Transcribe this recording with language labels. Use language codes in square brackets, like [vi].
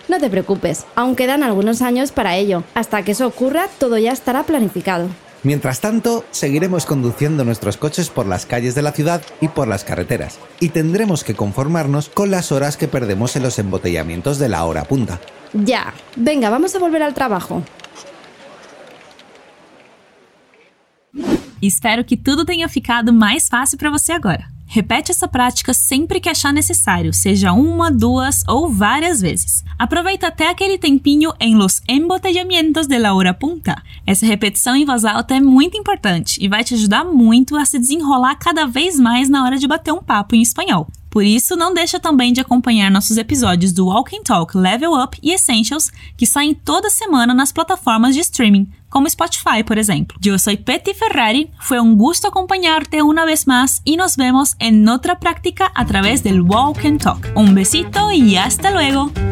[es] No te preocupes, aún quedan algunos años para ello. Hasta que eso ocurra, todo ya estará planificado. Mientras tanto, seguiremos conduciendo nuestros coches por las calles de la ciudad y por las carreteras. Y tendremos que conformarnos con las horas que perdemos en los embotellamientos de la hora punta. Ya. Venga, vamos a volver al trabajo. [pt] Espero que tudo tenha ficado mais fácil para você agora. Repete essa prática sempre que achar necessário, seja uma, duas ou várias vezes. Aproveita até aquele tempinho em [es] los embotellamientos de la hora punta. [pt] Essa repetição em voz alta é muito importante e vai te ajudar muito a se desenrolar cada vez mais na hora de bater um papo em espanhol. Por isso, não deixa também de acompanhar nossos episódios do Walk and Talk Level Up e Essentials, que saem toda semana nas plataformas de streaming, como Spotify, por exemplo. [es] Yo soy Peti Ferrari, fue un gusto acompañarte una vez más y nos vemos en otra práctica a través del Walk and Talk. Un besito y hasta luego.